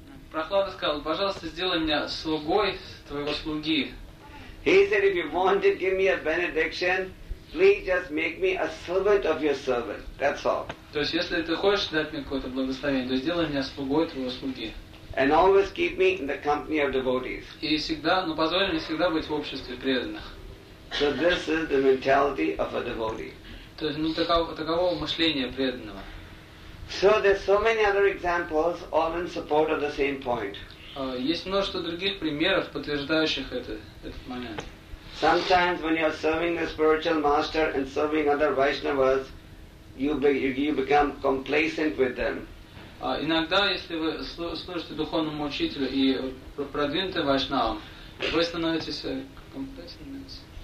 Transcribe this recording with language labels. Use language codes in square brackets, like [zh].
[ru] Прохлада сказал, пожалуйста, сделай меня слугой твоего слуги. [en] He said, if you want to give me a benediction, please just make me a servant of your servant. That's all. [ru] То есть, если ты хочешь дать мне какое-то благословение, то сделай меня слугой твоего слуги. [en] And always keep me in the company of devotees. [ru] И всегда, позволь мне всегда быть в обществе преданных. [en] So this is the mentality of a devotee. [ru] То есть, таково мышление преданного. [en] So there's so many other examples all in support of the same point. [ru] Есть множество других примеров, подтверждающих этот момент. [en] Sometimes when you are serving the spiritual master and serving other Vaishnavas, you become complacent with them. [ru] Иногда, если вы служите духовному учителю и продвинуты вайшнавам, вы становитесь complacent.